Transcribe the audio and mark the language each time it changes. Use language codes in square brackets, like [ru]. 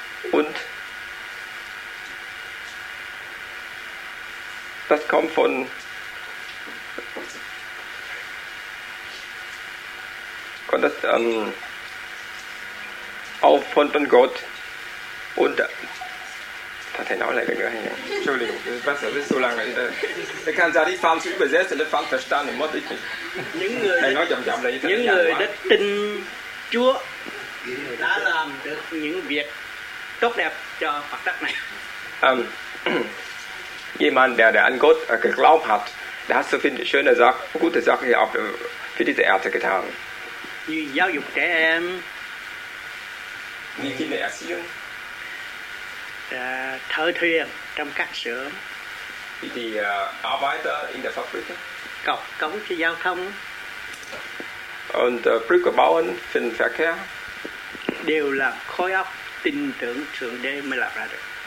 [de] Und das kommt von auch von Gott. Und das hat auch länger gehängt. Entschuldigung, das ist so lange. Ich kann sagen, ich fahre zu übersetzen, ich fahre verstanden, muss ich nicht. [vi] Những người đã tin Chúa đã làm được những việc tốt đẹp cho mặt đất này. [de] Jemand, der an Gott geglaubt hat, der hat so viele schöne Sachen, gute Sachen hier auch für diese Erde getan. Wie [vi] giáo dục trẻ em, [de] wie Kinder erziehen, [vi] thợ thuyền trong các xưởng, [de] wie die Arbeiter in der Fabrik, [vi] cọc cống cho giao thông, [de] und Brücke bauen für den Verkehr, [vi] đều là khối óc tin tưởng Thượng Đế mới làm ra được.